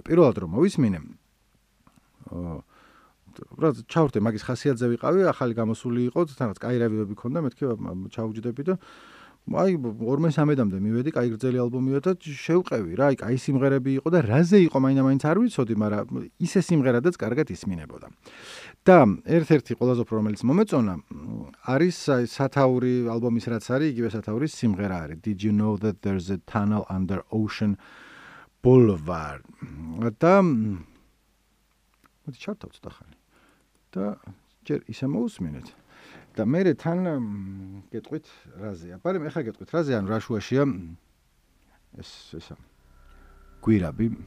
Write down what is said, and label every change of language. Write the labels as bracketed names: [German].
[Georgian] პირველად რომ მოვისმინე, რა ჩავრდე მაგის ხასიათზე ვიყავი, ახალი გამოსული იყო, თანაც კაი რევიუები ქონდა, მეთქე ჩაუჯდები და აი 2-3-მდე მივედი, კაი გრძელი ალბომია და შევყევი რა, აი კაი სიმღერები იყო და რაზე იყო მაინდა-მაინც არ ვიცოდი, მაგრამ ისე სიმღერადაც კარგად ისმინებოდა. და ერთ-ერთი ყველაზე უფრო რომელიც მომეწონა არის აი სათაური ალბომის, რაც არის იგივე სათაურის სიმღერა არის. [English] Did you know that there's a tunnel under Ocean Boulevard? [Georgian] და მოდი ჩავთავ ცოტა ხანი. და ჯერ ისე მოусმინეთ. და მე თან გეტყვით რაზეა. მაგრამ ეხა გეტყვით რაზე, ანუ რა შუაშია ეს გვირაბი.